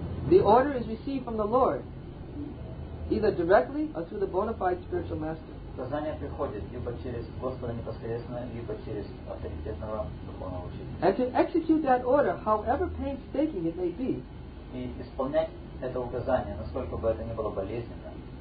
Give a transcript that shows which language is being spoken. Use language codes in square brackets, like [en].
[en] The order is received from the Lord, either directly or through the bona fide spiritual master. [ru] Сознание приходит либо через Господа непосредственно, либо через авторитетного духовного учителя. [en] And to execute that order, however painstaking it may be, [ru] и исполнять это указание, насколько бы это ни было болезненно,